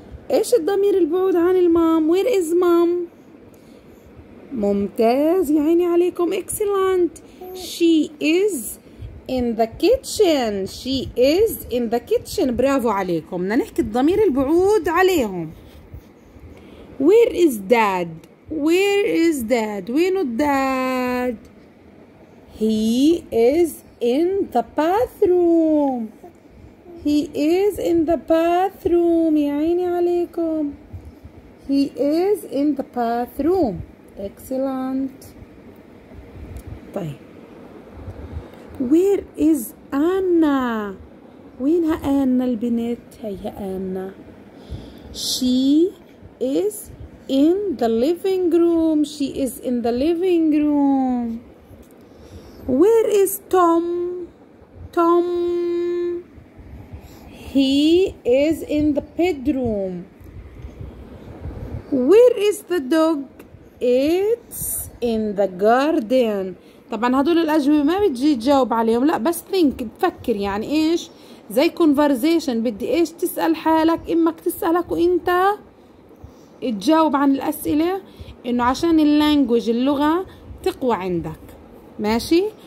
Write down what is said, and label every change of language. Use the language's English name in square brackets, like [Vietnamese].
[Arabic] ايش الضمير البعود عن المام؟ [English] where is mom؟ [Arabic] ممتاز يا عيني عليكم، excellent. [English] she is in the kitchen، she is in the kitchen، [Arabic] برافو عليكم. بدنا نحكي الضمير البعود عليهم. [English] where is dad؟ where is dad؟ [Arabic] وين الداد؟ [English] he is in the bathroom، he is in the bathroom. [Arabic] يا عيني عليكم، [English] he is in the bathroom، excellent. طيب where is Anna؟ [Arabic] وينها أنا البنت؟ هي أنا، [English] she is in the living room، she is in the living room. where is Tom؟ Tom he is in the bedroom. where is the dog؟ it's in the garden. [Arabic] طبعا هدول الأجوبة ما بتجي تجاوب عليهم، لا بس think، تفكر يعني ايش، زي conversation، بدي ايش تسأل حالك، امك تسألك وانت تجاوب عن الأسئلة، انه عشان اللانجوج اللغة تقوى عندك. ماشي.